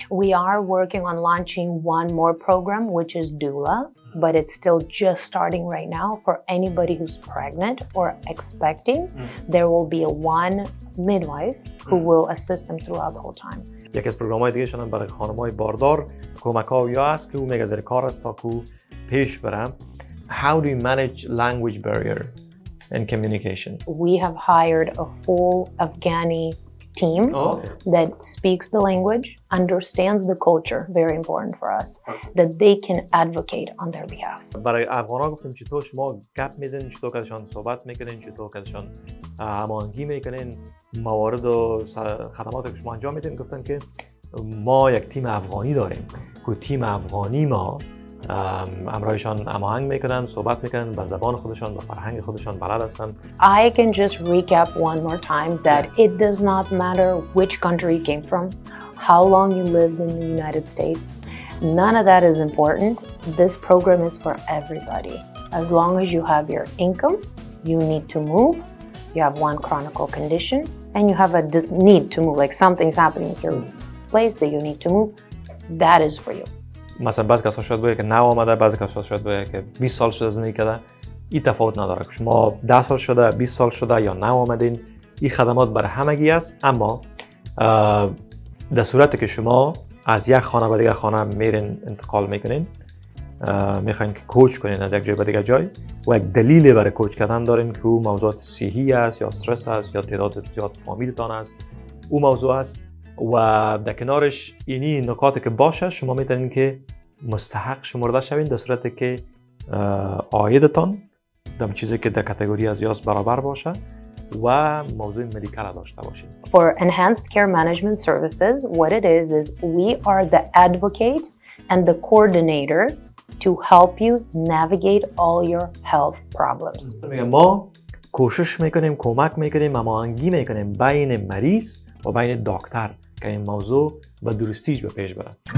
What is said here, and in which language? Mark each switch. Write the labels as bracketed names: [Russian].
[English] We are working on launching one more program, which is doula, but it's still just starting right now. For anybody who's pregnant or expecting, there will be a one midwife who will assist them throughout the whole time. [Persian] یکی از پروگرام های دیگه شدن برای خانم های باردار کمک ها یا هست که او میگه زیر کار است تا که پیش برم. [English] How do you manage language barrier and communication? We have hired a full Afghani team that speaks the language, understands the culture, very important for us, that they can advocate on their behalf. [Persian] برای افغان ها گفتم چطور شما گپ میزنین، چطور کسیشان صحبت میکنین، چطور کسیشان هماهنگی میکنین، موارد و خدمات که شما انجام میدین. گفتن که ما یک تیم افغانی داریم که تیم افغانی ما همراهشان هماهنگ میکنن، صحبت میکنن، به زبان خودشان، به فرهنگ خودشان بلد هستن. [English] I can just recap one more time that it does not matter which country you came from, how long you lived in the United States, none of that is important. This program is for everybody. As long as you have your income, you need to move, you have one chronic condition, and you have a need to move, like something's happening with your place that you need to move, that is for you. [Persian] مثلا بعضی کسا شاید باید که نو آمده، بعضی کسا شاید باید که 20 سال شده زندگی کرده، این تفاوت نداره که شما 10 سال شده، 20 سال شده یا نو آمدین، این خدمات برای همگی است. اما در صورتی که شما از یک خانه به دیگر خانه میرین، انتقال میکنین، میخواین که کوچ کنین از یک جای به دیگر جای و یک دلیل برای کوچ کردن دارین که او موضوع صحی است یا استرس است یا تعداد زیاد فامیلتان است، او موضوع است و در کنارش اینی نکاتی که باشه، شما میتونین که مستحق شمرده شوین در صورتی که آیدتان دم چیزی که در کاتگوری از یاس برابر باشه و موضوع مدیکال داشته باشید. [English] For enhanced care management services, what it is we are the advocate and the coordinator to help you navigate all your health problems. [Persian] ما کوشش میکنیم، کمک میکنیم، هماهنگی میکنیم بین مریض و بین دکتر که این موضوع به درستیش به پیش بره.